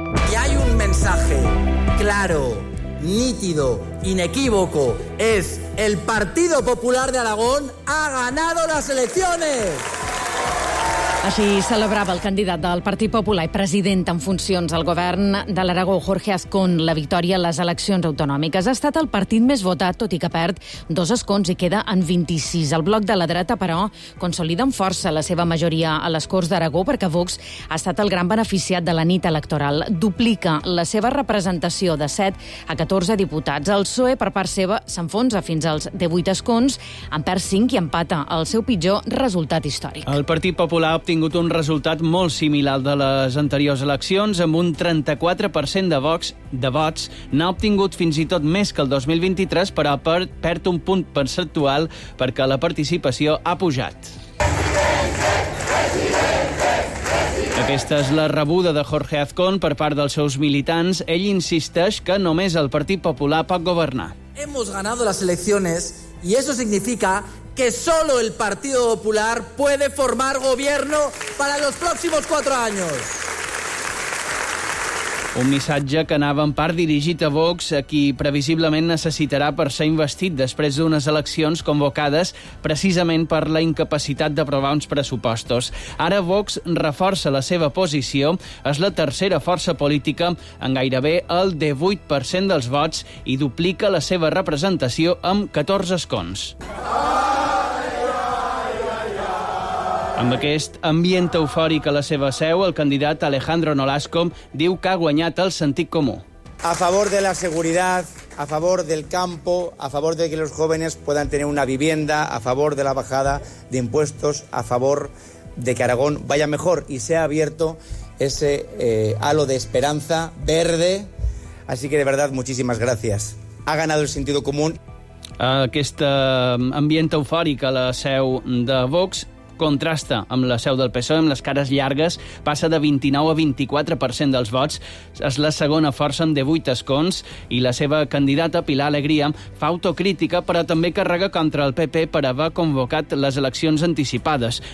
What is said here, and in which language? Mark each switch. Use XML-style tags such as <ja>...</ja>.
<es>Y hay un mensaje claro, nítido, inequívoco. Es el Partido Popular de Aragón ha ganado las elecciones.</es> <ca>Així celebrava el candidat del Partit Popular i president en funcions al govern de l'Aragó, Jorge Azcón, la victòria a les eleccions autonòmiques. Ha estat el partit més votat, tot i que perd 2 escons i queda en 26. El bloc de la dreta, però, consolida amb força la seva majoria a les Corts d'Aragó perquè Vox ha estat el gran beneficiat de la nit electoral. Duplica la seva representació de 7 a 14 diputats. El PSOE, per part seva, s'enfonsa fins als 18 escons, en perd 5 i empata el seu pitjor resultat històric. El Partit Popular ha obtingut un resultat molt similar de les anteriors eleccions, amb un 34% de Vox de vots. N'ha obtingut fins i tot més que el 2023, però perd un punt percentual perquè la participació ha pujat. Aquesta és la rebuda de Jorge Azcón per part dels seus militants. Ell insisteix que només el Partit Popular pot governar.</ca> <es>Hemos ganado las elecciones y eso significa que solo el Partido Popular puede formar gobierno para los próximos 4 años.</es> <ca>Un missatge que anava en part dirigit a Vox, a qui previsiblement necessitarà per ser investit després d'unes eleccions convocades precisament per la incapacitat d'aprovar uns pressupostos. Ara Vox reforça la seva posició, és la tercera força política en gairebé el 18% dels vots i duplica la seva representació amb 14 escons. Amb aquest ambient eufòric a la seva seu, el candidat Alejandro Nolasco diu que ha guanyat el sentit comú.</ca> <es>A favor de la seguridad, a favor del campo, a favor de que los jóvenes puedan tener una vivienda, a favor de la bajada de impuestos, a favor de que Aragón vaya mejor y sea abierto ese halo de esperanza verde. Así que de verdad, muchísimas gracias. Ha ganado el sentido común.</es> <ca>Aquest ambient eufòric a la seu de Vox contrasta amb la seu del PSOE, amb les cares llargues, passa de 29 a 24% dels vots, és la segona força amb 18 escons, i la seva candidata, Pilar Alegría, fa autocrítica, però també carrega contra el PP per haver convocat les eleccions anticipades.</ca>